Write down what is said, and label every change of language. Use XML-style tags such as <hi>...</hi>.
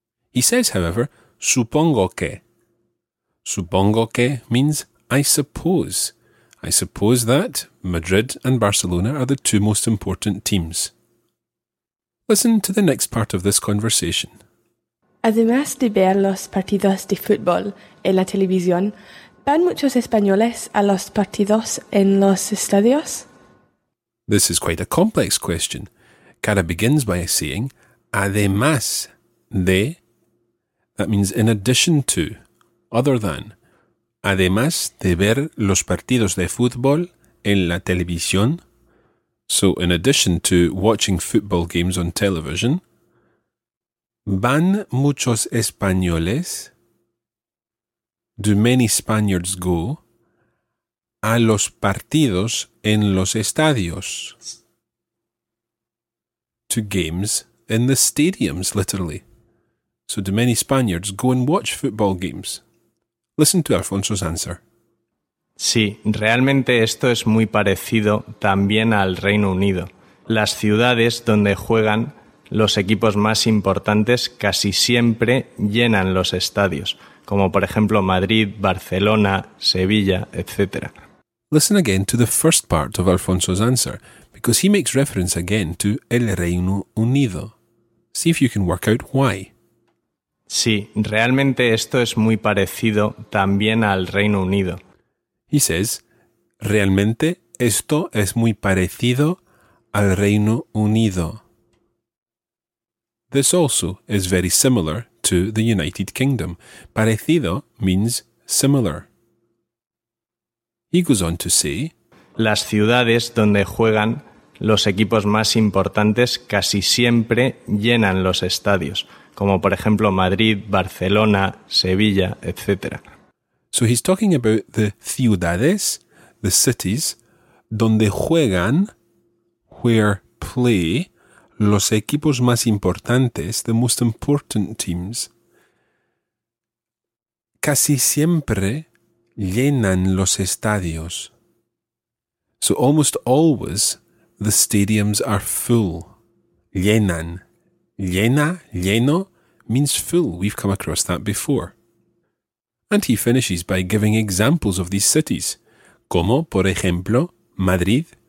<en>He says, however,</en> <es>supongo que. Supongo que</es> <en>means I suppose. I suppose that Madrid and Barcelona are the two most important teams. Listen to the next part of this conversation.</en> <es>Además de ver los partidos de fútbol en la televisión, ¿van muchos españoles a los partidos en los estadios?</es> <en>This is quite a complex question. Cara begins by saying, además de, that means in addition to, other than,</en> <es>además de ver los partidos de fútbol en la televisión.</es> <en>So, in addition to watching football games on television,</en> <es>¿van muchos españoles?</es> <en>Do many Spaniards go</en> <es>a los partidos en los estadios?</es> <en>To games in the stadiums, literally. So do many Spaniards go and watch football games? Listen to Alfonso's answer.</en> <es>Sí, realmente esto es muy parecido también al Reino Unido. Las ciudades donde juegan los equipos más importantes casi siempre llenan los estadios, como por ejemplo Madrid, Barcelona, Sevilla, etc.</es> <en>Listen again to the first part of Alfonso's answer, because he makes reference again to el Reino Unido. See if you can work out why.</en> <es>Sí, realmente esto es muy parecido también al Reino Unido. He says, realmente esto es muy parecido al Reino Unido.</es> <en>This also is very similar to the United Kingdom. Parecido means similar. He goes on to say,</en> <es>las ciudades donde juegan los equipos más importantes casi siempre llenan los estadios, como por ejemplo Madrid, Barcelona, Sevilla, etc.</es> <en>So he's talking about the</en> <es>ciudades,</es> <en>the cities,</en> <es>donde juegan,</es> <en>where play,</en> <es>los equipos más importantes,</es> <en>the most important teams,</en> <es>casi siempre llenan los estadios.</es> <en>So almost always the stadiums are full. Llenan. Llena, lleno, means full. We've come across that before. And he finishes by giving examples of these cities,</en> <es>como, por ejemplo,</es> <en>Madrid,</en>